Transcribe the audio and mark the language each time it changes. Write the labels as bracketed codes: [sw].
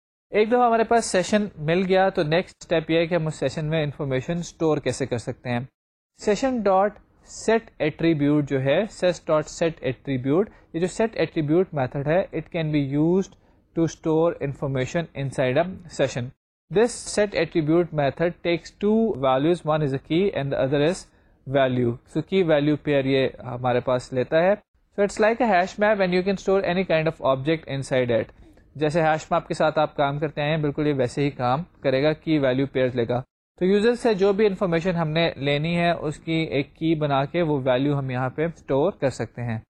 [ur] ایک دفعہ ہمارے پاس سیشن مل گیا تو نیکسٹ اسٹیپ یہ ہے کہ ہم اس سیشن میں انفارمیشن اسٹور کیسے کر سکتے ہیں. [en] session dot set attribute [ur] جو ہے, [en] sess dot set attribute, [ur] یہ جو [en] Set attribute method ہے it can be used to store information inside a session. This set attribute method takes two values, one is a key and the other is value. So key value pair [ur] یہ ہمارے پاس لیتا ہے. [en] So it's like a hash map and you can store any kind of object inside it. [ur] جیسے hash map کے ساتھ آپ کام کرتے آئے ہیں بالکل یہ ویسے ہی کام کرے گا, کی ویلیو پیئر لے گا. تو یوزر سے جو بھی انفارمیشن ہم نے لینی ہے اس کی ایک کی بنا کے وہ ویلیو ہم یہاں پہ اسٹور کر سکتے ہیں.